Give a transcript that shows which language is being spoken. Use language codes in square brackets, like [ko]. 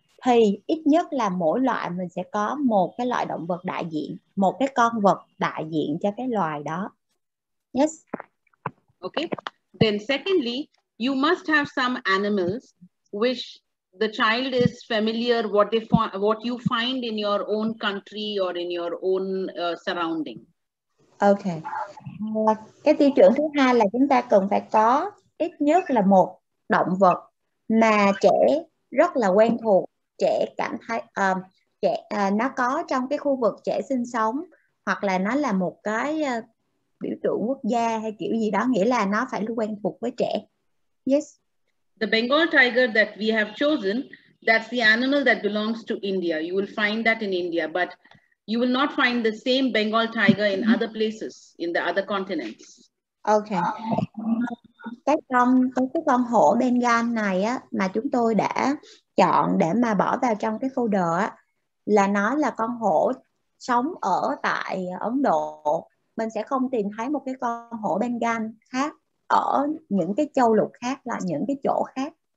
[vi] Thì ít nhất là mỗi loại mình sẽ có một cái loại động vật đại diện, một cái con vật đại diện cho cái loài đó. [en] Yes. Okay. Then secondly, you must have some animals which the child is familiar what they what you find in your own country or in your own surrounding. Okay. [vi] Cái tiêu chuẩn thứ hai là chúng ta cần phải có ít nhất là một động vật mà trẻ rất là quen thuộc, trẻ cảm thấy trẻ nó có trong cái khu vực trẻ sinh sống, hoặc là nó là một cái biểu tượng quốc gia hay kiểu gì đó, nghĩa là nó phải quen thuộc với trẻ. [en] Yes. The Bengal tiger that we have chosen, that's the animal that belongs to India. You will find that in India, but you will not find the same Bengal tiger in other places, in the other continents. Okay. [vi] Cái con hổ Bengal này á, mà chúng tôi đã chọn để mà bỏ vào trong cái folder á, là nó là con hổ sống ở tại Ấn Độ. Mình sẽ không tìm thấy một cái con hổ Bengal khác ở những cái châu lục khác, là những cái chỗ khác.